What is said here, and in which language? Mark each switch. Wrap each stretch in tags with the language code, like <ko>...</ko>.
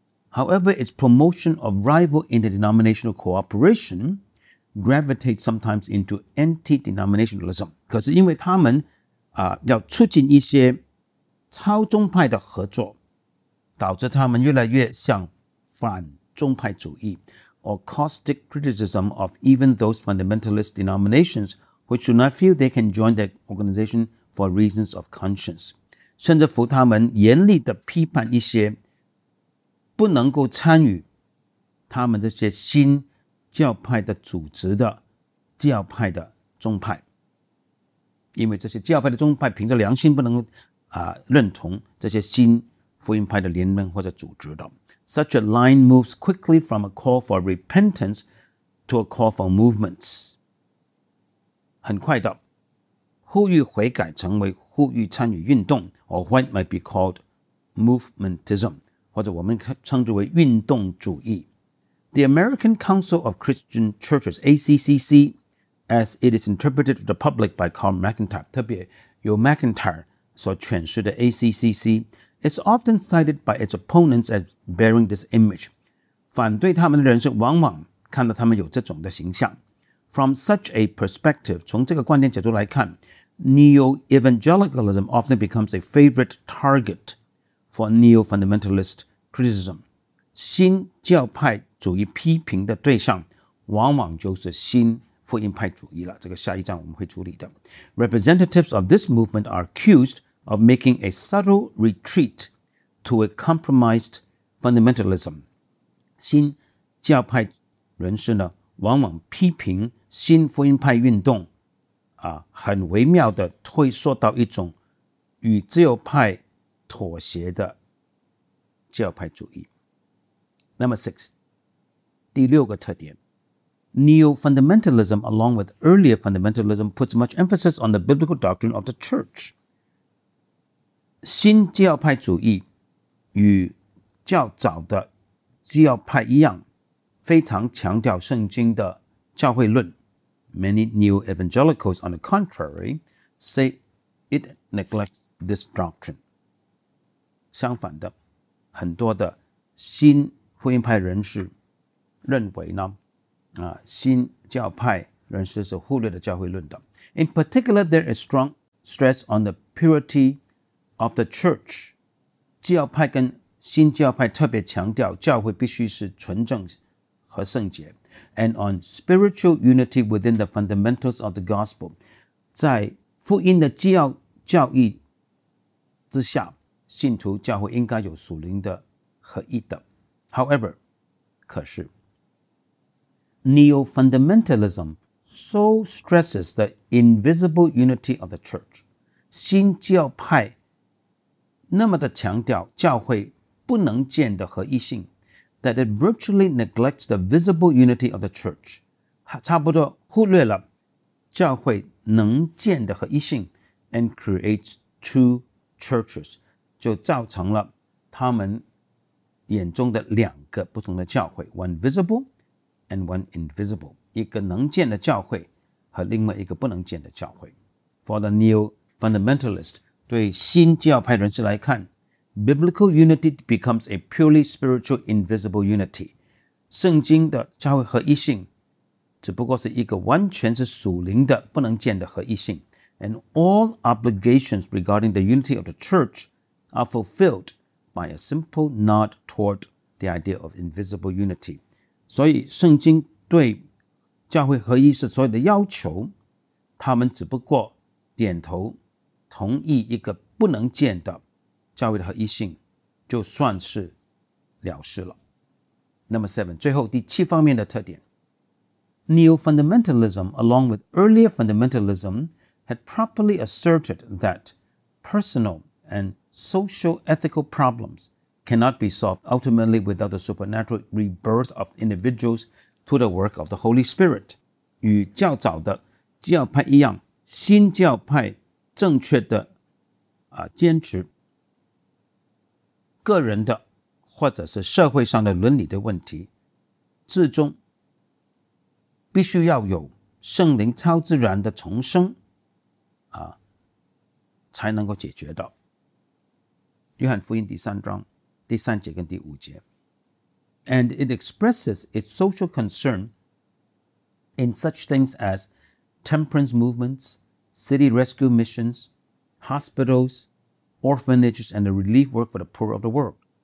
<en>However, its promotion of rival interdenominational cooperation gravitates sometimes into anti-denominationalism.</en> <zh>可是因为他们要促进一些超宗派的合作，导致他们越来越向反宗派主义</zh> <en>or caustic criticism of even those fundamentalist denominations which do not feel they can join the organization for reasons of conscience.</en> <zh>甚至乎他们严厉地批判一些不能够参与他们这些新教派的组织的教派的宗派，因为这些教派的宗派凭着良心不能认同这些新福音派的联盟或者组织的。</zh> <en>Such a line moves quickly from a call for repentance to a call for movements.</en> <zh>很快的，呼吁悔改成为呼吁参与运动</zh> <en>or what might be called movementism.</en> <zh>或者我们称之为运动主义。</zh> <en>The American Council of Christian Churches, ACCC, as it is interpreted to the public by Carl McIntyre,</en> <zh>特别由 McIntyre 所诠释的 ACCC,</zh> <en>is often cited by its opponents as bearing this image.</en> <zh>反对他们的人士往往看到他们有这种的形象。</zh> <en>From such a perspective,</en> <zh>从这个观点角度来看</zh> <en>,neo-evangelicalism often becomes a favorite target. For neo-fundamentalist criticism,</en> <zh>新教派主义批评的对象往往就是新福音派主义了。这个下一章我们会处理的。</zh> <en>Representatives of this movement are accused of making a subtle retreat to a compromised fundamentalism.</en> <zh>新教派人士呢，往往批评新福音派运动，很微妙的退缩到一种与自由派妥协的教派主义。</zh> <en>Number six,</en> <zh>第六个特点。</zh> <en>Neo-fundamentalism along with earlier fundamentalism puts much emphasis on the biblical doctrine of the church.</en> <zh>新教派主义与较早的教派一样，非常强调圣经的教会论。</zh> <en>Many neo-evangelicals, on the contrary, say it neglects this doctrine.</en> <zh>相反的，很多的新福音派人士认为呢，新教派人士是忽略了教会论的。</zh> <en>In particular, there is strong stress on the purity of the church.</en> <zh>教派跟新教派特别强调教会必须是纯正和圣洁。</zh> <en>And on spiritual unity within the fundamentals of the gospel.</en> <zh>在福音的教义之下，信徒教会应该有属灵的合一的。</zh> <en>However,</en> <zh>可是 Neo-fundamentalism</zh> <en>so stresses the invisible unity of the church.</en> <zh>新教派那么的强调教会不能见的合一性</zh> <en>that it virtually neglects the visible unity of the church.</en> <zh>它差不多忽略了教会能见的合一性</zh> <en>and creates two churches.</en> <zh>就造成了他们眼中的两个不同的教会</zh> <en>one visible and one invisible.</en> <zh>一个能见的教会和另外一个不能见的教会</zh> <en>For the new fundamentalist,</en> <zh>对新教派人士来看</zh> <en>Biblical unity becomes a purely spiritual invisible unity.</en> <zh>圣经的教会合一性只不过是一个完全是属灵的不能见的合一性。</zh> <en>And all obligations regarding the unity of the church are fulfilled by a simple nod toward the idea of invisible unity.</en> <zh>所以圣经对教会合一是所有的要求他们只不过点头同意一个不能见的教会的合一性就算是了事了。</zh> <en>Number seven,</en> <zh>最后第七方面的特点。</zh> <en>Neo-fundamentalism, along with earlier fundamentalism, had properly asserted that personal and social ethical problems cannot be solved ultimately without the supernatural rebirth of individuals through the work of the Holy Spirit.</en> <zh>与较早的教派一样，新教派正确的坚持个人的或者是社会上的伦理的问题至终必须要有圣灵超自然的重生才能够解决的。约翰福音第三章第三节跟第五节</zh> <en>And it expresses its social concern in such things as temperance movements, city rescue missions, hospitalsorphanages and the relief work for the poor of the world.</en>